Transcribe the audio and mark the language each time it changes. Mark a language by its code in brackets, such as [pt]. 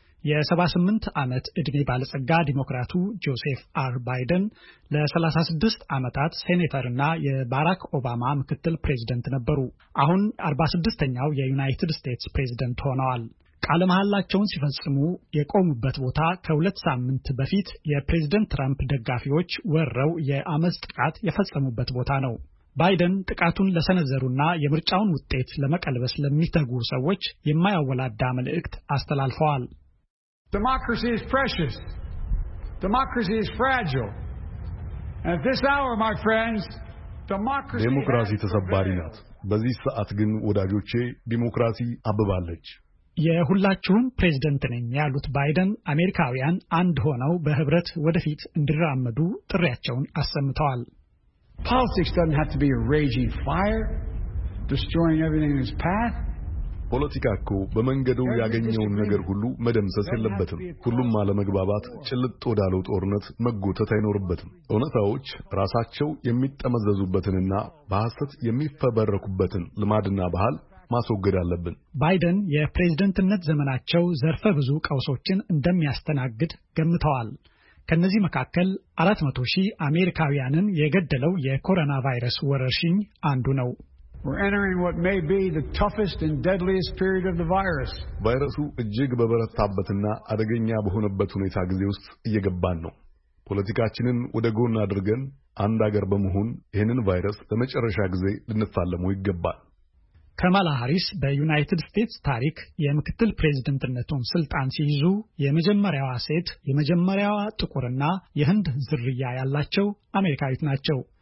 [am] የ78 ዓመት ዕድሜ ባለጸጋ ዲሞክራቱ ጆሴፍ አር ባይደን ለ36 ዓመታት ሴኔተርና የባራክ ኦባማ ምክትል ፕሬዝዳንት ነበሩ። አሁን 46ኛው የዩናይትድ ስቴትስ ፕሬዝዳንት ሆነዋል። ቃለ መሐላቸውን ሲፈጽሙ የቆሙበት ቦታ ከሁለት ሳምንት በፊት የፕሬዝዳንት ትራምፕ ደጋፊዎች ወረው የአመጽ ጥቃት የፈጸሙበት ቦታ ነው። ባይደን ጥቃቱን ለሰነዘሩና የምርጫውን ውጤት ለመቀልበስ ለሚተጉ ሰዎች የማያወላዳ መልእክት አስተላልፈዋል። [en] Democracy is precious. Democracy is fragile. And at this hour, my friends, democracy is fragile. [am] በዚህ ሰዓት ግን ወዳጆቼ ዲሞክራሲ አብባለች። የሁላችሁም ፕሬዝዳንት ነኝ ያሉት ባይደን አሜሪካውያን አንድ ሆነው በህብረት ወደፊት እንዲራመዱ ጥሪያቸውን አሰምተዋል። [en] Politics doesn't have to be a raging fire, destroying everything in its path. [am] ፖለቲካ እኮ በመንገዱ ያገኘውን ነገር ሁሉ መደምሰስ የለበትም። ሁሉም አለመግባባት ጭልጥ ወዳለው ጦርነት መጎተት አይኖርበትም። እውነታዎች ራሳቸው የሚጠመዘዙበትንና በሐሰት የሚፈበረኩበትን ልማድና ባህል ማስወገድ አለብን። ባይደን የፕሬዝዳንትነት ዘመናቸው ዘርፈ ብዙ ቀውሶችን እንደሚያስተናግድ ገምተዋል። ከነዚህ መካከል 400 ሺህ አሜሪካውያንን የገደለው የኮሮና ቫይረስ ወረርሽኝ አንዱ ነው። [en] We're entering what may be the toughest and deadliest period of the virus. [am] ቫይረሱ እጅግ በበረታበትና አደገኛ በሆነበት ሁኔታ ጊዜ ውስጥ እየገባን ነው። ፖለቲካችንን ወደ ጎን አድርገን አንድ አገር በመሆን ይህንን ቫይረስ ለመጨረሻ ጊዜ ልንፋለመው ይገባል። ካማላ ሃሪስ በዩናይትድ ስቴትስ ታሪክ የምክትል ፕሬዝዳንትነቱን ስልጣን ሲይዙ የመጀመሪያዋ ሴት፣ የመጀመሪያዋ ጥቁርና የህንድ ዝርያ ያላቸው አሜሪካዊት ናቸው።